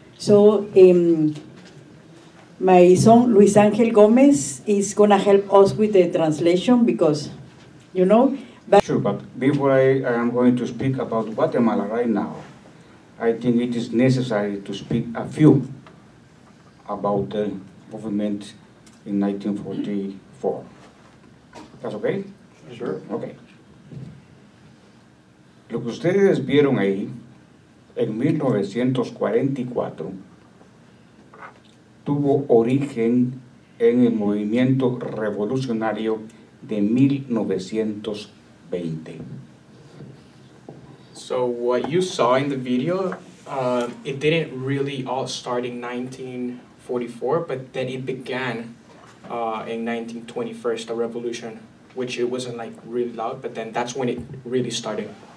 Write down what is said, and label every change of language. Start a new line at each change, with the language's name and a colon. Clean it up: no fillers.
English: So my son, Luis Angel Gomez, is gonna help us with the translation because, you know. But sure, but before I am going to speak about Guatemala right now, I think it is necessary to speak a few about the movement in 1944. That's okay? Sure. Okay.
Spanish: Lo que ustedes vieron ahí, en 1944, tuvo origen en el movimiento revolucionario de 1920.
English: So what you saw in the video, it didn't really all start in 1944, but then it began in 1921, the revolution, which it wasn't like really loud, but then that's when it really started.